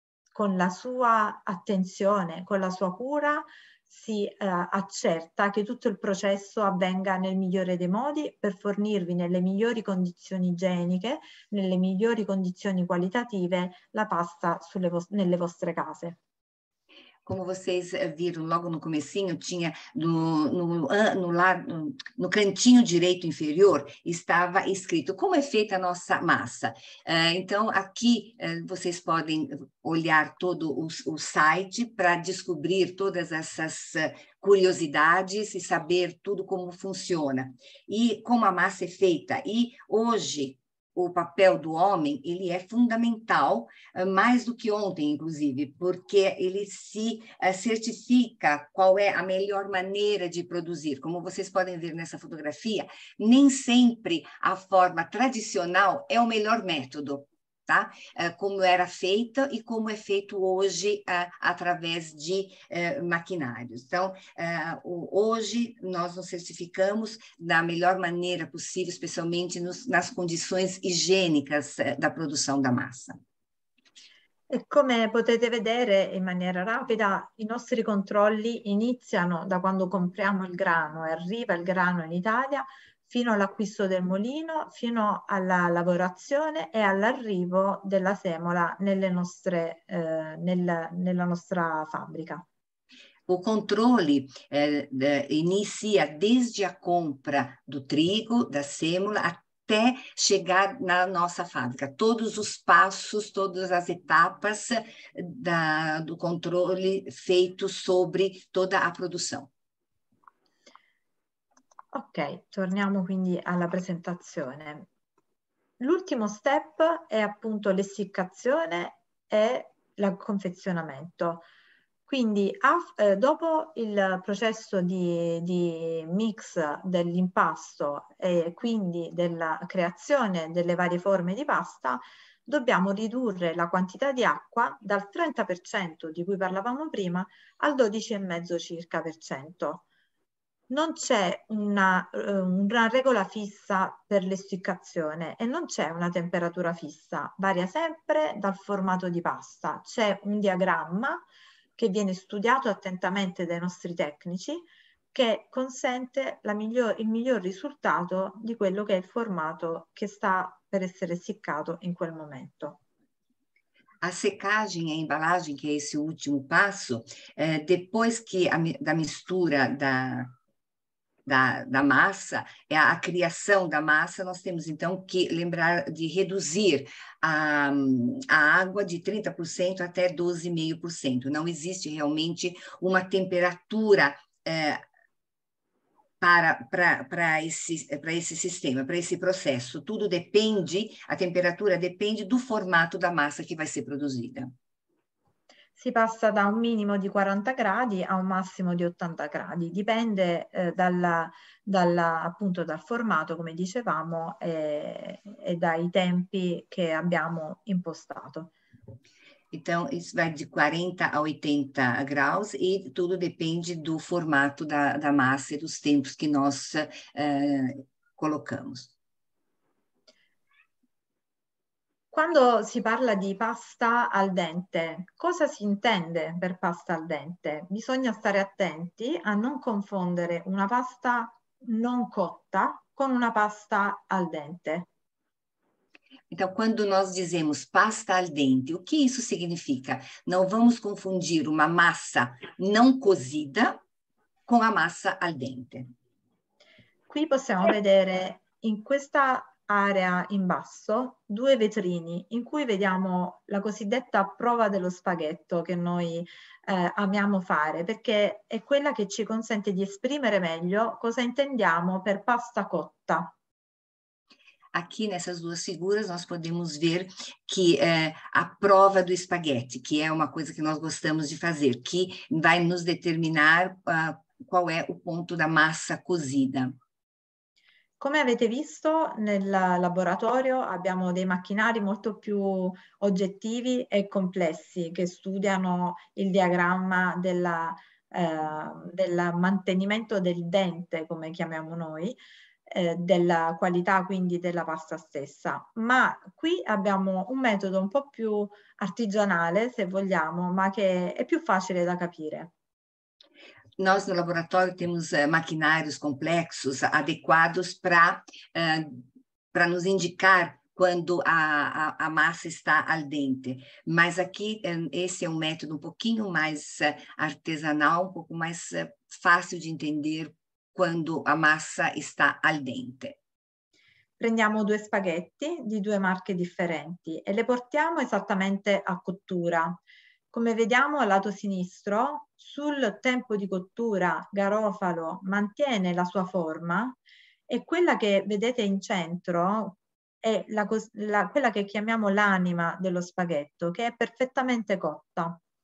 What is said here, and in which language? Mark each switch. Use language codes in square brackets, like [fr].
[it] con la sua attenzione, con la sua cura, si accerta che tutto il processo avvenga nel migliore dei modi per fornirvi nelle migliori condizioni igieniche, nelle migliori condizioni qualitative, la pasta nelle vostre case. [pt] Como vocês viram logo no comecinho, tinha no cantinho direito inferior, estava escrito como é feita a nossa massa. Então, aqui vocês podem olhar todo o site para descobrir todas essas curiosidades e saber tudo como funciona. E como a massa é feita. E hoje, o papel do homem, ele é fundamental, mais do que ontem, inclusive, porque ele se certifica qual é a melhor maneira de produzir. Como vocês podem ver nessa fotografia, nem sempre a forma tradicional é o melhor método, tá? Como era feita e como é feito hoje através de maquinários. Então, hoje nós nos certificamos da melhor maneira possível, especialmente nas condições higiênicas da produção da massa. [it] Come potete vedere in maniera rapida, i nostri controlli iniziano da quando compriamo il grano e arriva il grano in Italia, fino all'acquisto del molino, fino alla lavorazione e all'arrivo della semola nella nostra fabbrica. [pt] O [it] controlli inizia [pt] desde a compra do trigo, da semola, até chegar na nossa fábrica. Todos os passos, todas as etapas do controle feito sobre toda a produção. [it] Ok, torniamo quindi alla presentazione. L'ultimo step è appunto l'essiccazione e il confezionamento. Quindi, dopo il processo di mix dell'impasto e quindi della creazione delle varie forme di pasta, dobbiamo ridurre la quantità di acqua dal 30% di cui parlavamo prima al 12,5 circa per cento. Non c'è una regola fissa per l'essiccazione e non c'è una temperatura fissa, varia sempre dal formato di pasta. C'è un diagramma che viene studiato attentamente dai nostri tecnici che consente il miglior risultato di quello che è il formato che sta per essere essiccato in quel momento. [pt] A secagem e a embalagem, que é esse último passo, depois que da mistura da massa, é a criação da massa, nós temos então que lembrar de reduzir a água de 30% até 12,5%. Não existe realmente uma temperatura para esse sistema, para esse processo. Tudo depende, a temperatura depende do formato da massa que vai ser produzida. [it] Si passa da un minimo di 40 gradi a un massimo di 80 gradi, dipende appunto dal formato, come dicevamo, e dai tempi che abbiamo impostato. [pt] Então, isso vai de 40 a 80 graus e tudo depende do formato da massa e dos tempos que nós colocamos. [it] Quando si parla di pasta al dente, cosa si intende per pasta al dente? Bisogna stare attenti a non confondere una pasta non cotta con una pasta al dente. [pt] Então, quando nós dizemos pasta al dente, o que isso significa? Não vamos confundir uma massa não cozida com a massa al dente. [it] Qui possiamo vedere in questa area in basso, due vetrini in cui vediamo la cosiddetta prova dello spaghetto che noi amiamo fare perché è quella che ci consente di esprimere meglio cosa intendiamo per pasta cotta. [pt] Aqui nessas duas figuras nós podemos ver que é a prova do espaguete, que é uma coisa que nós gostamos de fazer, que vai nos determinar qual é o ponto da massa cozida. [it] Come avete visto nel laboratorio abbiamo dei macchinari molto più oggettivi e complessi che studiano il diagramma del mantenimento del dente, come chiamiamo noi, della qualità quindi della pasta stessa. Ma qui abbiamo un metodo un po' più artigianale, se vogliamo, ma che è più facile da capire. [pt] Nós, no laboratório, temos maquinários complexos adequados para nos indicar quando a massa está al dente. Mas aqui, esse é um método um pouquinho mais artesanal, um pouco mais fácil de entender quando a massa está al dente. [it] Prendiamo due spaghetti di due marche differenti e le portiamo esattamente a cottura. Come vediamo al lato sinistro, sul tempo di cottura Garofalo mantiene la sua forma e quella che vedete in centro è quella che chiamiamo l'anima dello spaghetto, che è perfettamente cotta.